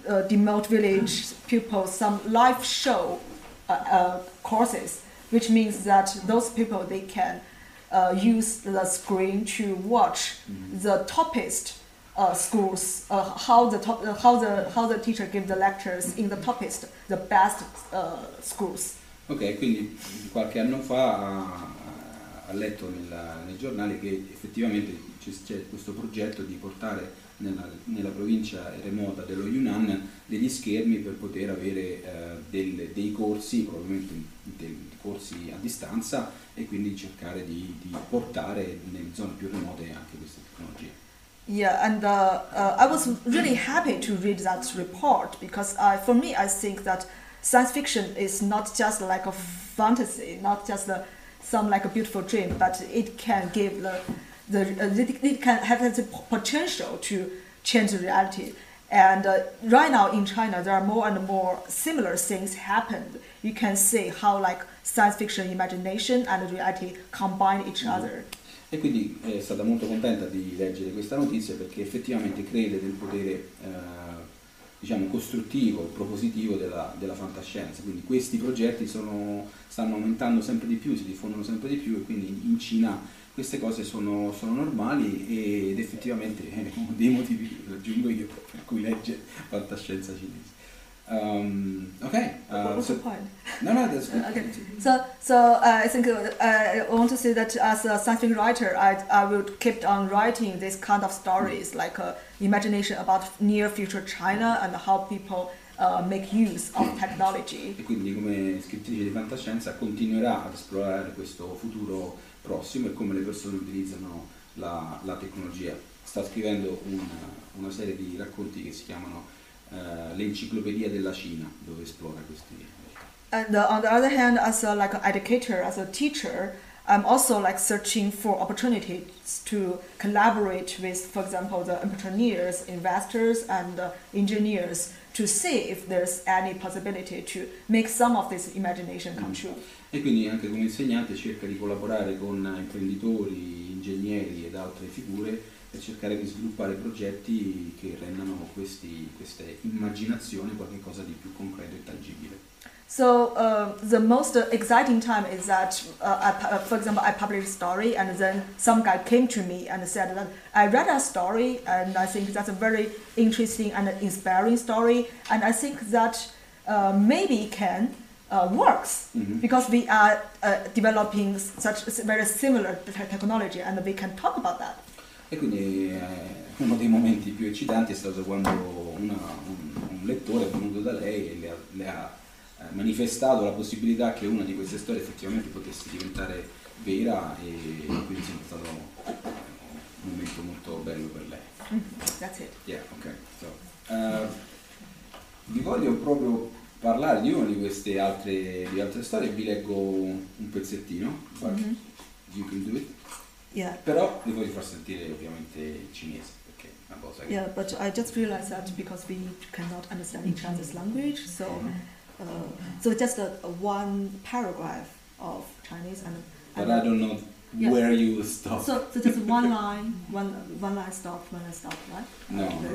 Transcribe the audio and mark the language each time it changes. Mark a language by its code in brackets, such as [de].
[en] remote village people some live show courses, which means that those people they can use the screen to watch the toppest schools, how the teacher give the lectures in the toppest, the best schools. [it] Ok, quindi qualche anno fa ha letto nel giornale che effettivamente c'è questo progetto di portare nella provincia remota dello Yunnan degli schermi per poter avere dei corsi, probabilmente dei corsi a distanza, e quindi cercare di portare nelle zone più remote anche queste tecnologie. [en] Yeah, and I was really happy to read that report because for me, I think that science fiction is not just like a fantasy, not just some like a beautiful dream, but it can give it can have the potential to change the reality. And right now in China, there are more and more similar things happened. You can see how like science fiction imagination and reality combine each other. [it] E quindi è stata molto contenta di leggere questa notizia perché effettivamente crede nel potere, diciamo, costruttivo, propositivo della fantascienza. Quindi questi progetti stanno aumentando sempre di più, si diffondono sempre di più, e quindi in Cina queste cose sono normali, ed effettivamente è uno dei motivi, aggiungo io, per cui legge fantascienza cinese. [en] What's the point? No, no, that's good. Okay, so I think I want to say that as a science fiction writer, I would keep on writing this kind of stories, like imagination about near future China and how people make use of technology. [it] E quindi come scrittrice di fantascienza continuerà ad esplorare questo futuro prossimo e come le persone utilizzano la tecnologia. Sta scrivendo una serie di racconti che si chiamano L'Enciclopedia della Cina, dove esplora questi. [en] And on the other hand, as a, like an educator, as a teacher, I'm also like searching for opportunities to collaborate with, for example, the entrepreneurs, investors, and engineers to see if there's any possibility to make some of this imagination come true. [it] E quindi anche come insegnante cerca di collaborare con imprenditori, ingegneri ed altre figure per cercare di sviluppare progetti che rendano queste immaginazioni qualcosa di più concreto e tangibile. [en] So the most exciting time is that, for example, I published a story and then some guy came to me and said that I read a story and I think that's a very interesting and inspiring story and I think that maybe it can works because we are developing such very similar technology and we can talk about that. [it] E quindi uno dei momenti più eccitanti è stato quando un lettore è venuto da lei e le ha manifestato la possibilità che una di queste storie effettivamente potesse diventare vera e quindi è stato un momento molto bello per lei. [en] That's it. Yeah, okay. [it] So, vi voglio proprio parlare di una di queste altre storie, vi leggo un pezzettino. [en] You can do it. Yeah. [it] Però vi voglio far sentire ovviamente il cinese, perché è una cosa che... [en] Yeah, but I just realized that because we cannot understand each other's language, so so just one paragraph of Chinese and but I don't know where you stop. So just one line stop, right? No.